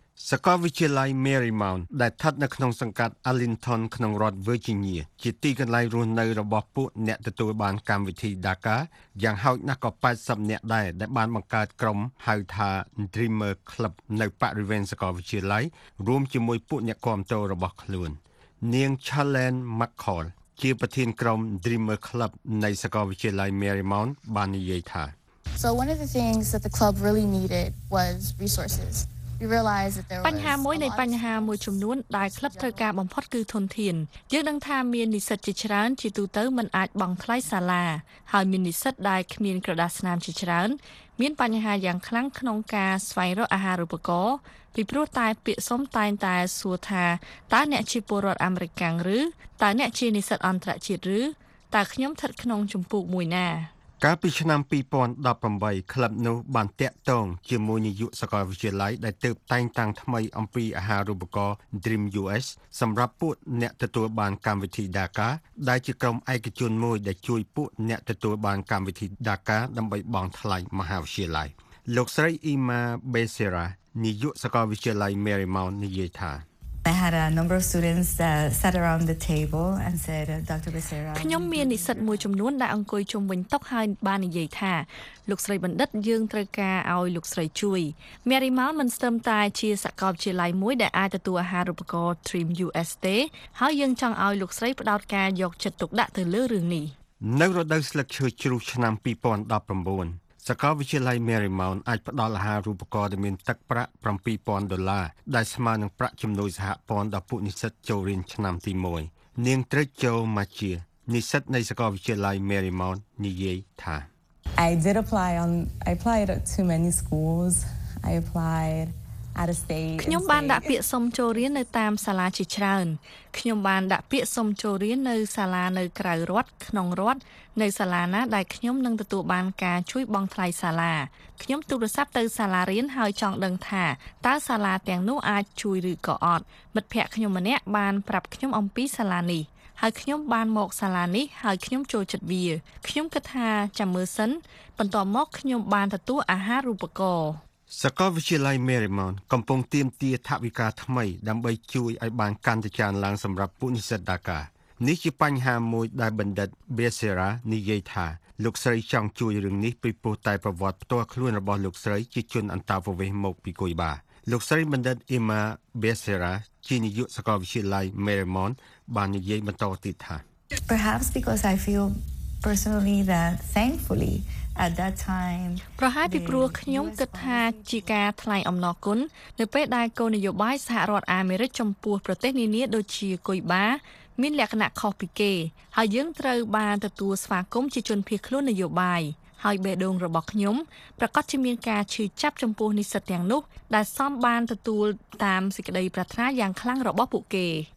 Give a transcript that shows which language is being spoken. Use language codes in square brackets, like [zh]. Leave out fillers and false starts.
[km] សាកលវិទ្យាល័យ Marymount ដែលស្ថិតនៅក្នុងសង្កាត់ Arlington ក្នុងរដ្ឋ Virginia ជាទីកន្លែងរស់នៅរបស់ពួកអ្នកទទួលបានកម្មវិធី DACA យ៉ាងហោចណាស់ក៏80អ្នកដែរដែលបានបង្កើតក្រុមហៅថា Dreamer Club នៅបរិវេណសាកលវិទ្យាល័យរួមជាមួយពួកអ្នកគាំទ្ររបស់ខ្លួននាង Chalen McCall ជាប្រធានក្រុម Dreamer Club នៃសាកលវិទ្យាល័យ Marymount បាននិយាយថា [en] So one of the things that the club really needed was resources. [km] បញ្ហាមួយនៃបញ្ហាមួយចំនួនដែលក្លឹបត្រូវការបំផុតគឺធនធានយើងដឹងថាមាននិស្សិតជាច្រើនជាទូទៅមិនអាចបង់ថ្លៃសាលាហើយមាននិស្សិតដែលគ្មានក្រដាសស្នាមជាច្រើនមានបញ្ហាយ៉ាងខ្លាំងក្នុងការស្វែងរកអាហារូបករណ៍ពីព្រោះតែពាក្យសុំតែងតែសួរថាតើអ្នកជាពលរដ្ឋអាមេរិកឬតើអ្នកជានិស្សិតអន្តរជាតិឬតើខ្ញុំស្ថិតក្នុងជំពូកមួយណា កាលពីឆ្នាំ2018ក្លឹបនោះបានតាក់ទងជាមួយនាយកសាកលវិទ្យាល័យដែលទើបតែងតាំងថ្មីអំពីអាហារូបករណ៍ Dream US សម្រាប់ពួកអ្នកទទួលបានកម្មវិធី DACA ដែលជាក្រុមឯកជនមួយដែលជួយពួកអ្នកទទួលបានកម្មវិធី DACA ដើម្បីបង់ថ្លៃមហាវិទ្យាល័យលោកស្រី Ima Becerra នាយកសាកលវិទ្យាល័យ Marymount និយាយថា [en] I had a number of students sat around the table and said Dr. Becerra [km] ខ្ញុំមាននិស្សិតមួយចំនួនដែលអង្គុយជុំវិញតុហើយបាននិយាយថាលោកស្រីបណ្ឌិតយើងត្រូវការឲ្យលោកស្រីជួយ Marymount មិនស្ទើរតែជាសាកលវិទ្យាល័យមួយដែលអាចទទួលអាហារូបករណ៍ Dream US ទេហើយយើងចង់ឲ្យលោកស្រីផ្ដោតការយកចិត្តទុកដាក់ទៅលើរឿងនេះ នៅរដូវស្លឹកឈើជ្រុះឆ្នាំ2019សាកលវិទ្យាល័យ Marymount អាចផ្តល់អាហារូបករណ៍ដែលមានទឹកប្រាក់ $7,000ដែលស្មើនឹងប្រាក់ចំណូលសហព័ន្ធដល់ពួកនិស្សិតចូលរៀនឆ្នាំទី1នាងត្រិចចូលម៉ាជានិស្សិតនៃសាកលវិទ្យាល័យ Marymount និយាយថា [en] I applied at too many schools. I applied at a state. [km] ខ្ញុំបានដាក់ពាក្យសុំចូលរៀននៅតាមសាលាជាច្រើនខ្ញុំបានដាក់ពាក្យសុំចូលរៀននៅសាលានៅក្រៅរដ្ឋក្នុងរដ្ឋនៅសាលាណាដែលខ្ញុំនឹងទទួលបានការជួយបង់ថ្លៃសាលាខ្ញុំទូរស័ព្ទទៅសាលារៀនហើយចង់ដឹងថាតើសាលាទាំងនោះអាចជួយឬក៏អត់មិត្តភ័ក្តិខ្ញុំម្នាក់បានប្រាប់ខ្ញុំអំពីសាលានេះហើយខ្ញុំបានមកសាលានេះហើយខ្ញុំចូលចិត្តវាខ្ញុំគិតថាចាំមើលសិនបន្ទាប់មកខ្ញុំបានទទួលអាហារូបករណ៍ សាកលវិទ្យាល័យ Marymount កំពុងទាមទារថវិកាថ្មីដើម្បីជួយឲ្យបានកាន់តែច្រើនឡើងសម្រាប់ពួកនិស្សិតដាកានេះជាបញ្ហាមួយដែលបណ្ឌិត Becerra និយាយថាលោកស្រីចង់ជួយរឿងនេះពីព្រោះតែប្រវត្តិផ្ទាល់ខ្លួនរបស់លោកស្រីជាជនអន្តោប្រវេសន៍មកពីគុយបាលោកស្រីបណ្ឌិត Ima Becerra ជានាយកសាកលវិទ្យាល័យ Marymount បាននិយាយបន្តទៀតថា [en] Perhaps because I feel personally that thankfully at that time [km] ប្រហែលពីព្រោះខ្ញុំគិតថាជាការថ្លែងអំណរគុណនៅពេលដែលគោលនយោបាយសហរដ្ឋអាមេរិកចំពោះប្រទេសនានាដូចជាគុយបាមានលក្ខណៈខុសពីគេហើយយើងត្រូវបានទទួលស្វាគមន៍ជាជនភៀសខ្លួននយោបាយហើយបេះដូងរបស់ខ្ញុំប្រកាសជាមានការឈឺចាប់ចំពោះនិស្សិតទាំងនោះដែលសំបានទទួលតាមសេចក្តីប្រាថ្នាយ៉ាងខ្លាំងរបស់ពួកគេ